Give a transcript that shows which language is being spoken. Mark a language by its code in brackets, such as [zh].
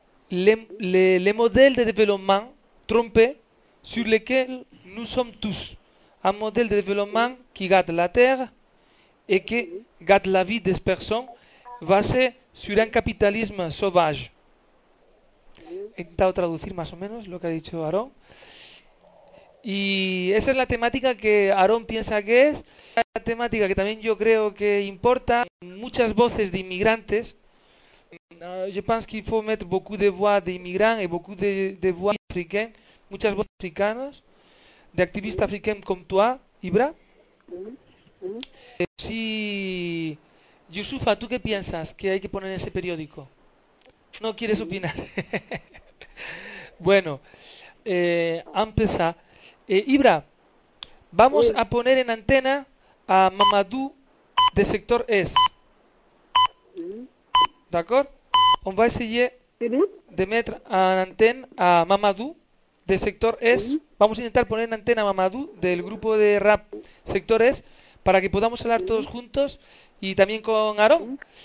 [fr] Le modèle de développement trompé sur lequel nous sommes tous. Un modèle de développement qui gâte la terre et qui gâte la vie des personnes basé sur un capitalisme sauvage. [es] He intentado traducir más o menos lo que ha dicho Aarón. Y esa es la temática que Aarón piensa que es. La temática que también yo creo que importa. Muchas voces de inmigrantes. [fr] Je pense qu'il faut mettre beaucoup de voix d'immigrants et beaucoup de voix africaines, [es] muchas voces africanas, de activistas africanos como tú, [fr] Ibra. [es] Si, Yusufa, ¿tú qué piensas que hay que poner en ese periódico? No quieres opinar. Bueno, empieza. Ibra, vamos a poner en antena a Mamadou de Sector S. [fr] D'accord? On va essayer de mettre en antenne à Mamadou de Sector S. [es] Vamos a intentar poner en antena a Mamadou del grupo de rap Sector S para que podamos hablar todos juntos y también con Aarón.